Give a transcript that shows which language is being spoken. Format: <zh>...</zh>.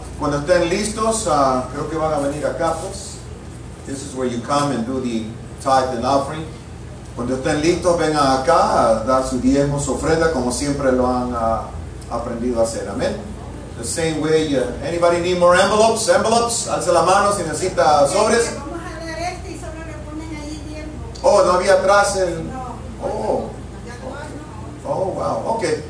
<es>Cuando estén listos, creo que van a venir acá, pues.</es> <en>This is where you come and do the tithe and offering.</en> <es>Cuando estén listos, vengan acá a dar su diezmo, su ofrenda, como siempre lo han aprendido a hacer.</es> <en>Amén. The same way, anybody need more envelopes?</en> <es>Envelopes, alce la mano si necesita sobres. Vamos a dar este y sobre le ponen ahí el diezmo. Oh, no había atrás el... Oh. Oh, wow. Ok.</es>